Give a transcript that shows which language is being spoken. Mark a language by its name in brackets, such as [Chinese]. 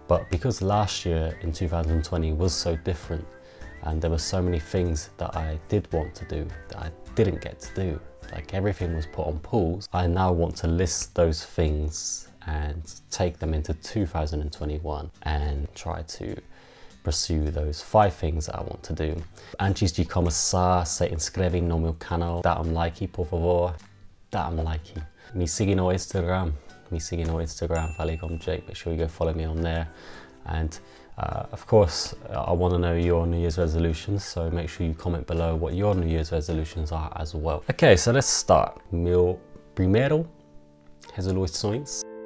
[English] But because last year in 2020 was so different, and there were so many things that I did want to do that I didn't get to do, like everything was put on pause, I now want to list those things and take them into 2021 and try to pursue those five things that I want to do. [Portuguese] Antes de começar, se inscreve no meu canal, dá like, por favor. Dá like. Me siga no Instagram. Me siga no Instagram, Vale com Jake. [English] Make sure you go follow me on there. And of course, I want to know your New Year's resolutions, so make sure you comment below what your New Year's resolutions are as well. Okay, so let's start. [Portuguese] Meu primeiro resoluções.